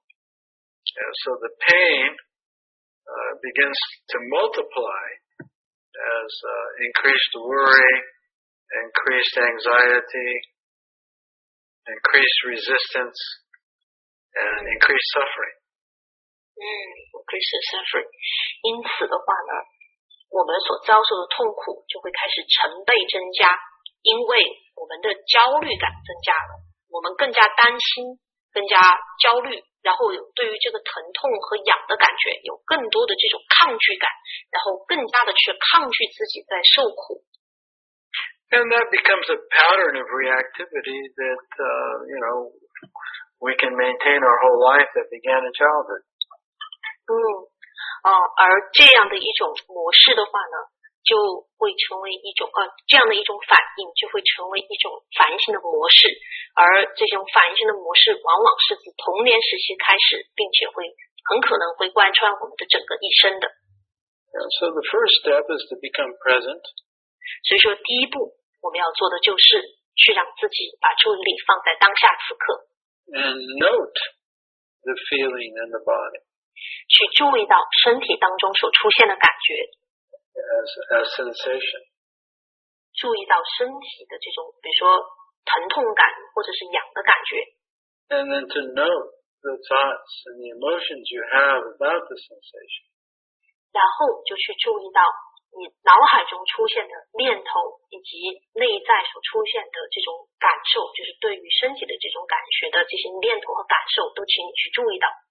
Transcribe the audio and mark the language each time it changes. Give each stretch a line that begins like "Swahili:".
English: Yeah, so the pain begins to multiply as increased worry, increased anxiety, increased resistance, and increased suffering. Increase suffering.
Chinese: 因此的话呢，我们所遭受的痛苦就会开始成倍增加，因为我们的焦虑感增加了，我们更加担心，更加焦虑，然后对于这个疼痛和痒的感觉有更多的这种抗拒感，然后更加的去抗拒自己在受苦。
English: And that becomes a pattern of reactivity that, you know, we can maintain our whole life that began in childhood.
Chinese: 而这样的一种模式的话呢，就会成为一种这样的一种反应，就会成为一种反应性的模式，而这种反应性的模式往往是自童年时期开始，并且会很可能会贯穿我们的整个一生的。
English: Yeah, so the first step is to become present.
Chinese: 所以说第一步我们要做的就是去让自己把注意力放在当下此刻。
English: And note the feeling in the body.
Chinese: 去注意到身体当中所出现的感觉。
English: As sensation.
Chinese: 注意到身体的这种比如说疼痛感或者是痒的感觉。
English: And then to note the thoughts and the emotions you have about the sensation.
Chinese: 然后就去注意到你脑海中出现的念头以及内在所出现的这种感受，就是对于身体的这种感觉的这些念头和感受都请你去注意到。